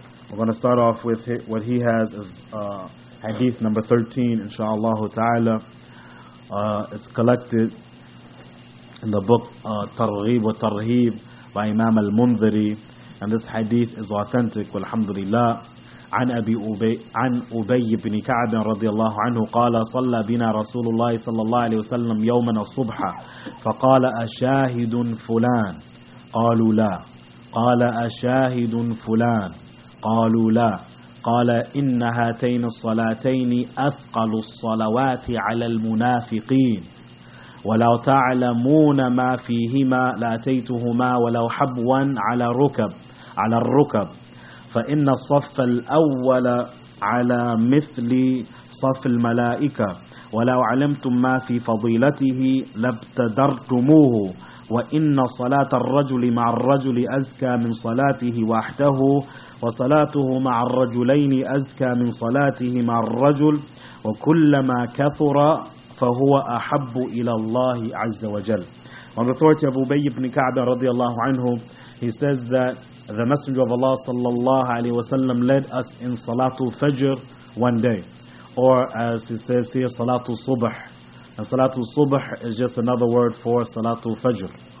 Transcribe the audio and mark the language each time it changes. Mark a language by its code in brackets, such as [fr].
[en] We're going to start off with what he has as hadith number 13, inshallah ta'ala. It's collected in the book Targhib wa Tarheeb by Imam Al-Mundhiri, and this hadith is authentic, alhamdulillah. [ar] عن أبي بن كعب رضي الله عنه قال صلى بنا رسول الله صلى الله عليه وسلم يوما الصبح فقال أشاهد فلان قالوا لا قال أشاهد فلان قالوا لا قال إن هاتين الصلاتين أثقل الصلوات على المنافقين ولو تعلمون ما فيهما لأتيتهما ولو حبوا على ركب على الركب فإن الصف الأول على مثل صف الملائكة ولو علمتم ما في فضيلته لابتدرتموه وإن صلاة الرجل مع الرجل أزكى من صلاته وحده وصلاته مع الرجلين أزكى من صلاته مع الرجل وكلما كثر فهو أحب إلى الله عز وجل. [en] On the authority of Ubay ibn Ka'b [ar] رضي الله عنه, [en] he says that the Messenger of Allah sallallahu alayhi wa sallam led us in Salatul Fajr one day. Or as he says here, Salatul Subh. And Salatul Subh is just another word for Salatul Fajr.